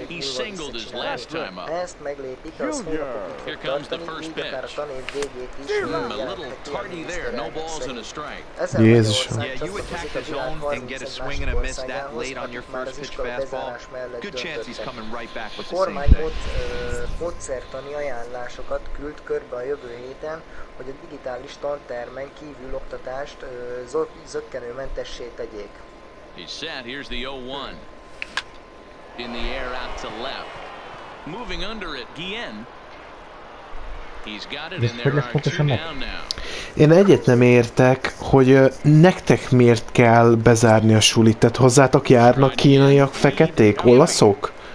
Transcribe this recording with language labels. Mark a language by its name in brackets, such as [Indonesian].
[English] He singled his last time up. Here comes the first pitch. A little tardy there. No balls and a strike. Jesus. Yeah, you attack the zone and get a swing and a miss that late on your first pitch fastball. Good chance he's coming right back with the same thing. [Hungarian] Módszertani ajánlásokat küld körbe a jövő héten, hogy a digitális tantermen kívül oktatást zökkenőmentessé tegyék. [English] He's set. Here's the 0-1. In the air out to left. Moving under it, Guillen. [Hungarian] És hogy lesz pontosan meg? Én egyet nem értek, hogy nektek miért kell bezárni a sulit? Tehát hozzátok járnak kínaiak, feketék, olaszok?